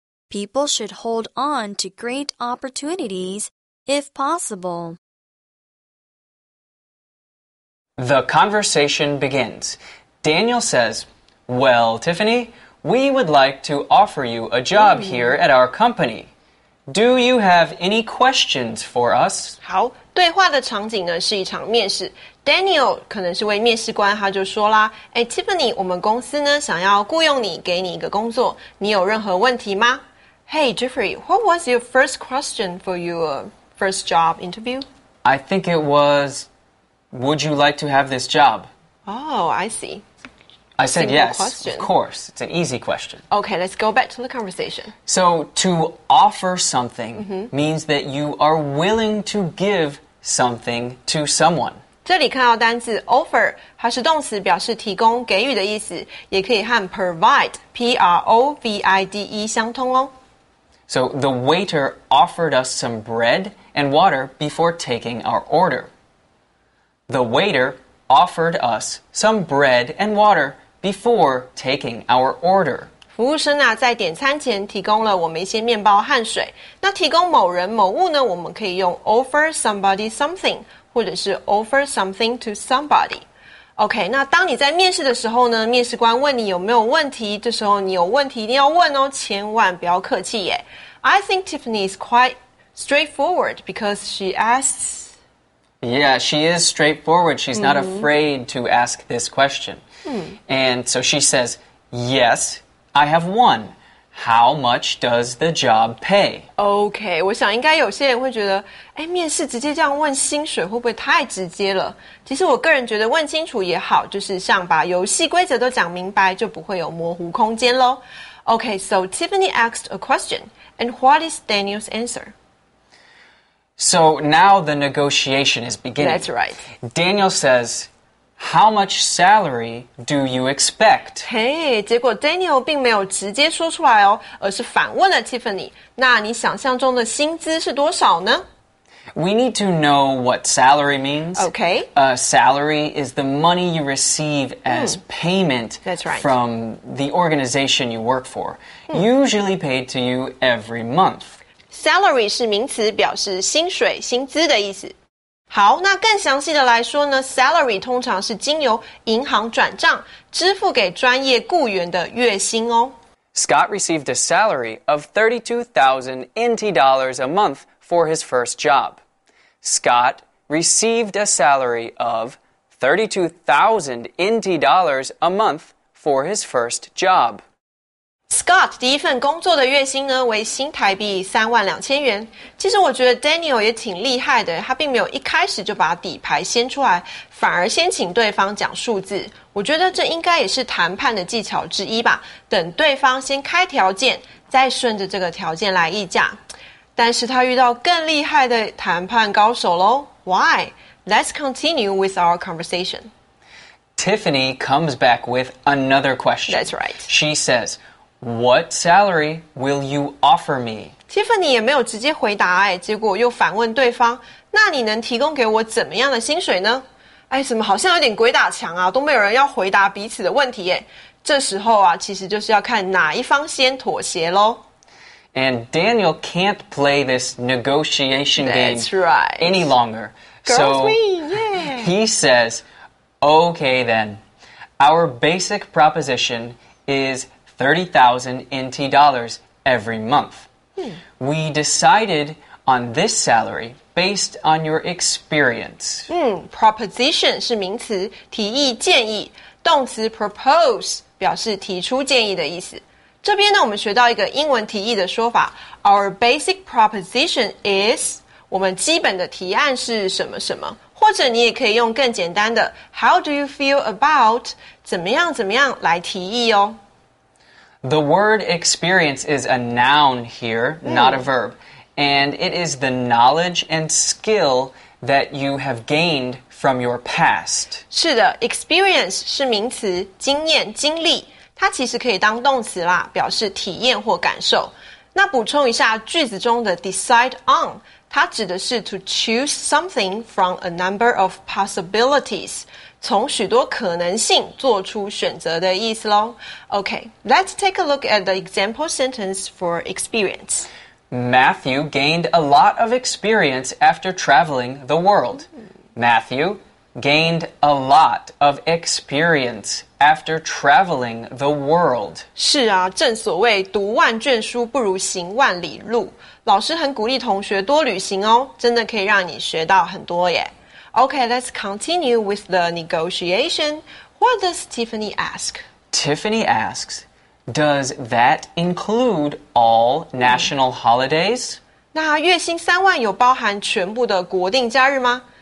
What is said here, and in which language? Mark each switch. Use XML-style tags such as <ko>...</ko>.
<en>People should hold on to great opportunities if possible. The conversation begins. Daniel says,Well, Tiffany, We would like to offer you a job here at our company. Do you have any questions for us?</en> <zh>好，对话的场景呢是一场面试。 Daniel 可能是位面试官，他就说啦，哎 ，Tiffany， 我们公司呢想要雇佣你，给你一个工作，你有任何问题吗 ？</zh> <en>Hey Jeffrey， what was your first question for your first job interview？ I think it was, would you like to have this job? Oh, I see. I said yes, of course. It's an easy question. Okay, let's go back to the conversation. So, to offer something means that you are willing to give something to someone.</en> <zh>这里看到单字 offer, 它是动词表示提供给予的意思，也可以和 provide, P-R-O-V-I-D-E 相通哦。</zh> <en>So, the waiter offered us some bread and water before taking our order. The waiter offered us some bread and water before taking our order.</en> <zh>服务生啊，在点餐前提供了我们一些面包和水。那提供某人某物呢，我们可以用</zh> <en>offer somebody something,</en> <zh>或者是</zh> <en>offer something to somebody.</en> <zh>OK, 那当你在面试的时候呢，面试官问你有没有问题，这时候你有问题一定要问哦，千万不要客气耶。</zh> <en>I think Tiffany is quite straightforward because she asks... Yeah, she is straightforward. She's not afraid to ask this question. And so she says, yes, I have one. How much does the job pay?</en> <zh>OK, 我想应该有些人会觉得哎，面试直接这样问薪水会不会太直接了？其实我个人觉得问清楚也好，就是像把游戏规则都讲明白，就不会有模糊空间咯。</zh> <en>OK, so Tiffany asked a question. And what is Daniel's answer? So now the negotiation is beginning. That's right. Daniel says, how much salary do you expect?</en> <zh>Hey, 结果 Daniel 并没有直接说出来哦，而是反问了 Tiffany, 那你想象中的薪资是多少呢？</zh> <en>We need to know what salary means. Okay. Salary is the money you receive as payment from the organization you work for, usually paid to you every month.</en> <zh>Salary 是名词，表示薪水、薪资的意思。好，那更详细的来说呢 ，salary 通常是经由银行转账，支付给专业雇员的月薪哦。</zh> <en>Scott received a salary of $32,000 a month. For his first job, Scott received a salary of $32,000 a month for his first job.</en> <zh>Scott 第一份工作的月薪呢为新台币32,000元。其实我觉得 Daniel 也挺厉害的，他并没有一开始就把底牌掀出来，反而先请对方讲数字。我觉得这应该也是谈判的技巧之一吧，等对方先开条件，再顺着这个条件来议价。但是他遇到更厉害的谈判高手咯。</zh> <en>Why? Let's continue with our conversation. Tiffany comes back with another question. That's right. She says, what salary will you offer me?</en> <zh>Tiffany 也没有直接回答哎，结果又反问对方，那你能提供给我怎么样的薪水呢？哎，怎么好像有点鬼打墙啊，都没有人要回答彼此的问题耶。这时候啊，其实就是要看哪一方先妥协咯。</zh> <en>And Daniel can't play this negotiation game any longer. He says, okay then, our basic proposition is $30,000 every month. We decided on this salary based on your experience.</en> <zh>Proposition 是名词，提议建议，动词 propose 表示提出建议的意思。这边呢，我们学到一个英文提议的说法 ，</zh> <en>our basic proposition is，</en> <zh>我们基本的提案是什么什么，或者你也可以用更简单的 ，</zh> <en>how do you feel about，</en> <zh>怎么样怎么样来提议哦。</zh> <en>The word experience is a noun here, not a verb, and it is the knowledge and skill that you have gained from your past.</en> <zh>是的 ，experience 是名词，经验、经历。它其实可以当动词啦，表示体验或感受。那补充一下句子中的 decide on， 它指的是</zh> <en>to choose something from a number of possibilities，</en> <zh>从许多可能性做出选择的意思咯。</zh> <en>OK, let's take a look at the example sentence for experience. Matthew gained a lot of experience after traveling the world. Matthew gained a lot of experience after traveling the world.</en> <zh>是啊，正所谓读万卷书不如行万里路。老师很鼓励同学多旅行哦，真的可以让你学到很多耶。</zh> <en>Okay, let's continue with the negotiation. What does Tiffany ask? Tiffany asks, does that include all national holidays?</en> <zh>那月薪三万有包含全部的国定假日吗？</zh>